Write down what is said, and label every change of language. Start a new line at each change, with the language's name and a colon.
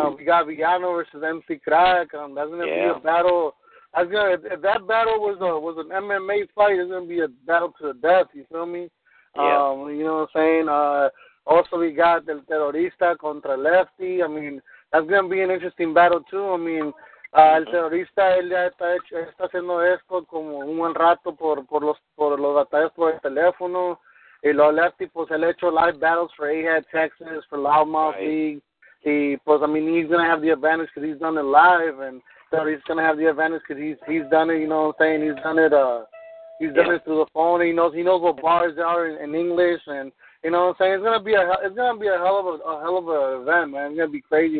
English: We got Villano versus MC Crack. That's going to yeah. be a battle. If that battle was an MMA fight, it's going to be a battle to the death, you feel me? Yeah. You know what I'm saying? Also, we got El Terrorista contra Lefty. I mean, that's going to be an interesting battle, too. I mean, mm-hmm.
Spanish: El Terrorista, él ya está haciendo esto como un buen rato por los batallas por el teléfono. Y lo Lefty, pues, él ha hecho
English: live battles for Ahead Texas, for Loudmouth right. League.
Spanish: Y, pues,
English: I mean, he's going to have the advantage because he's done it live. And Terrorista's going to have the advantage because he's done it, you know what I'm saying? He's done it, He's done yeah. it through the phone. He knows what bars are in English, and you know what I'm saying. It's gonna be a hell of a event, man. It's gonna be crazy.